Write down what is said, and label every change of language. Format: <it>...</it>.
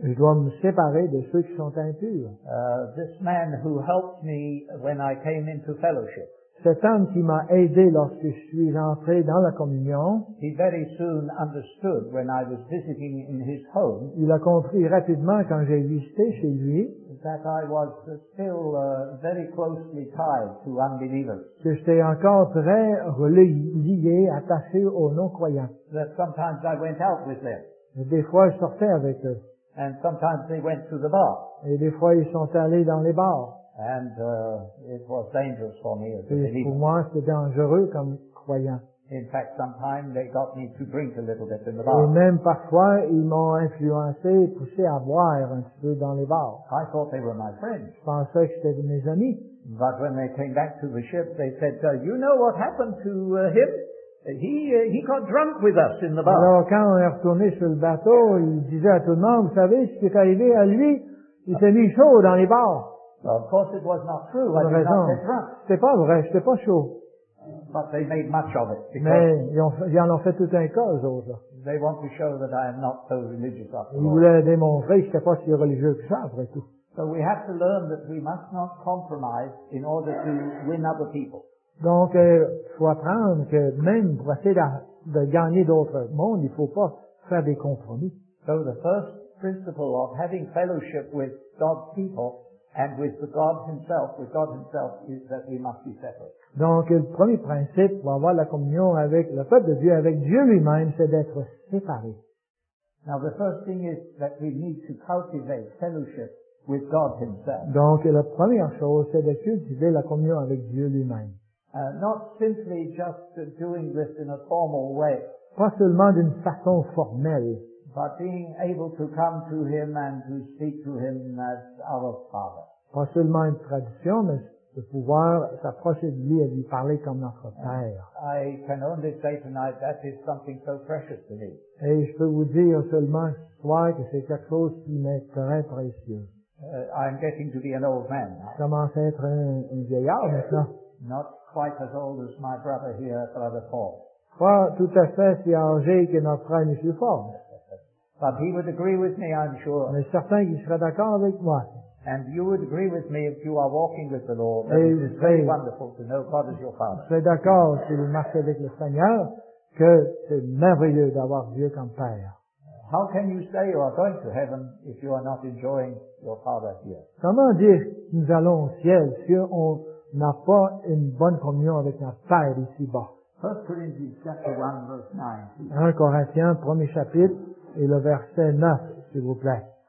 <fr>Je dois me séparer de ceux qui sont impurs.</fr> <en>This man who helped me when I came into fellowship.</en> <fr>Cet homme qui m'a aidé lorsque je suis entré dans la communion.</fr> <en>He very soon understood when I was visiting in his home.</en> <fr>Il a compris rapidement quand j'ai visité chez lui.</fr> <en>That I was still very closely tied to unbelievers.</en> <fr>Que j'étais encore très relié, attaché aux non-croyants.</fr> <en>That sometimes I went out with them.</en> <fr>Et des fois, je sortais avec eux.</fr> <en>And sometimes they went to the bar.</en> <fr>Et des fois, ils sont allés dans les bars.</fr> <en>And it was dangerous for me as a believer.</en> <fr>Pour moi, c'était dangereux comme croyant.</fr> <en>In fact, sometimes they got me to drink a little bit in the bar.</en> <fr>Et même parfois, ils m'ont influencé, poussé à boire un petit peu dans les bars.</fr> <en>I thought they were my friends.</en> <fr>Je pensais que c'était mes amis.</fr> <en>But when they came back to the ship, they said, "You know what happened to him? He got drunk with us in the bar."</en> <fr>Alors quand on est retourné sur le bateau, ils disaient à tout le monde, "Vous savez ce qui est arrivé à lui? Il s'est mis chaud dans les bars."</fr> <en>Well, of course it was not true. I did not get drunk.</en> <fr>C'était pas vrai, c'était pas chaud.</fr> <en>But they made much of it.</en> <fr>Mais ils en ont fait tout un cas, eux autres.</fr> <en>They want to show that I am not so religious after all.</en> <fr>Ils voulaient démontrer que j'étais pas si religieux que ça, après tout.</fr> <en>So we have to learn that we must not compromise in order to win other people.</en> <fr>Donc, faut apprendre que même pour essayer de gagner d'autres mondes, il faut pas faire des compromis.</fr> <en>So the first principle of having fellowship with God's people and with God himself is that we must be separate.</en> <fr>Donc, le premier principe pour avoir la communion avec le peuple de Dieu, avec Dieu lui-même, c'est d'être séparé.</fr> <en>Now, the first thing is that we need to cultivate fellowship with God himself.</en> <fr>Donc, la première chose, c'est de cultiver la communion avec Dieu lui-même.</fr> <en>Not simply just doing this in a formal way.</en> <fr>Pas seulement d'une façon formelle.</fr> <en>But being able to come to him and to speak to him as our Father.</en> <fr>Pas seulement une tradition, mais de pouvoir s'approcher de lui et lui parler comme notre Père.</fr> <en>I can only say tonight that is something so precious to me.</en> <fr>Et je peux vous dire seulement ce soir que c'est quelque chose qui m'est très précieux.</fr> <en>I'm getting to be an old man.</en> <fr>Je commence à être un vieillard maintenant.</fr> <en>Not quite as old as my brother here, Brother Paul.</en> <fr>Pas tout à fait si âgé que notre frère Monsieur Paul.</fr> <en>But he would agree with me, I'm sure.</en> <fr>Mais certain qu'il serait d'accord avec moi.</fr> <en>And you would agree with me if you are walking with the Lord. That it is very wonderful to know God as your Father.</en> <fr>Je suis d'accord si vous marchez avec le Seigneur que c'est merveilleux d'avoir Dieu comme Père.</fr> <en>How can you say you are going to heaven if you are not enjoying your Father here?</en> <fr>Comment dire que nous allons au ciel si on n'a pas une bonne communion avec notre Père ici-bas? 1 Corinthiens chapitre 1 verset 9. 1 Corinthiens premier chapitre et le verset 9, s'il vous plaît.</fr>